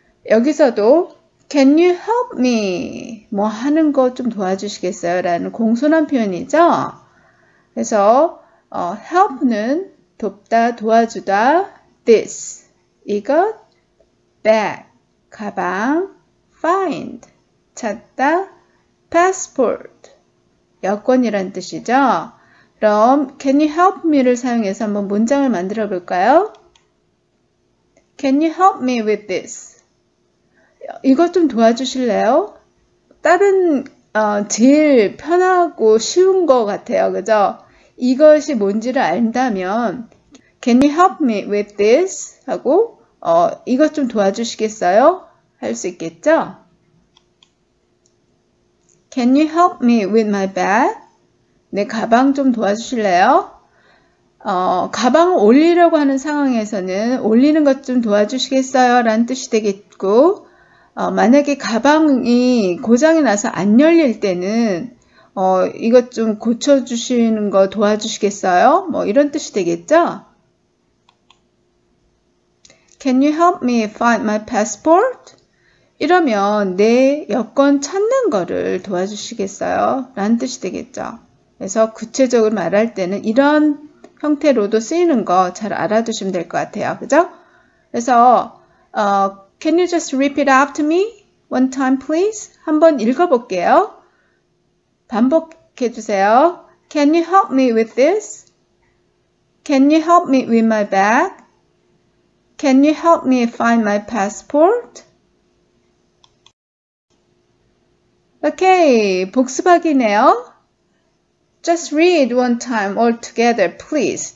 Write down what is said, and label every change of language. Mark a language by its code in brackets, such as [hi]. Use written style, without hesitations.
[en] 여기서도 Can you help me? [ko] 뭐 하는 거좀 도와주시겠어요? 라는 공손한 표현이죠. 그래서 help는 돕다, 도와주다, this 이것, bag 가방, find 찾다, passport 여권이란 뜻이죠. 그럼 [en] can you help me [ko] 를 사용해서 한번 문장을 만들어 볼까요? [en] Can you help me with this? [ko] 이것 좀 도와주실래요? 다른 제일 편하고 쉬운 것 같아요. 그죠? 이것이 뭔지를 안다면 [en] Can you help me with this? [ko] 하고 이것 좀 도와주시겠어요? 할수 있겠죠? [en] Can you help me with my bag? [ko] 내 가방 좀 도와주실래요? 가방 올리려고 하는 상황에서는 올리는 것좀 도와주시겠어요? 라는 뜻이 되겠고 만약에 가방이 고장이 나서 안 열릴 때는 이것 좀 고쳐주시는 거 도와주시겠어요? 뭐 이런 뜻이 되겠죠? [en] Can you help me find my passport? [ko] 이러면 내 여권 찾는 거를 도와주시겠어요? 라는 뜻이 되겠죠. 그래서 구체적으로 말할 때는 이런 형태로도 쓰이는 거잘 알아두시면 될것 같아요. 그죠? 그래서 [en] Can you just repeat after me one time, please? [ko] 한번 읽어볼게요. 반복해 주세요. [en] Can you help me with this? Can you help me with my bag? Can you help me find my passport? [ko] Okay, 복습하기네요. [en] Just read one time all together, please.